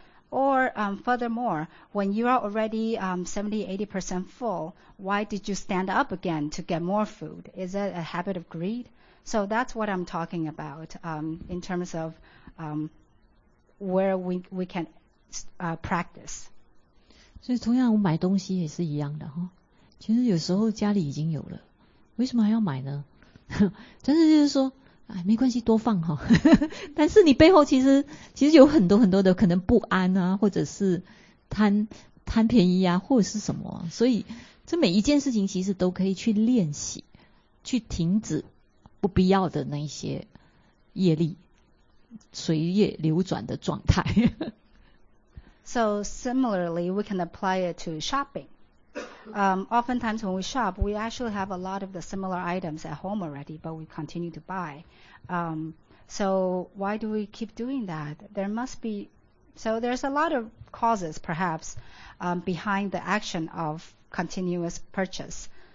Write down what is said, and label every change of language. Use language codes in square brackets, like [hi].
[en] Or furthermore, when you are already 70-80% full, why did you stand up again to get more food? Is it a habit of greed? So that's what I'm talking about in terms of where we can practice. [zh] 所以同样我买东西也是一样的，其实有时候家里已经有了，为什么还要买呢？真的就是说哎，没关系，多放哈。但是你背后其实有很多很多的可能不安啊，或者是贪便宜啊，或者是什么。所以这每一件事情其实都可以去练习，去停止不必要的那一些业力随业流转的状态。 [en] So similarly, we can apply it to shopping. Oftentimes when we shop, we actually have a lot of the similar items at home already, but we continue to buy. So why do we keep doing that? There must be, so there's a lot of causes perhaps behind the action of continuous purchase.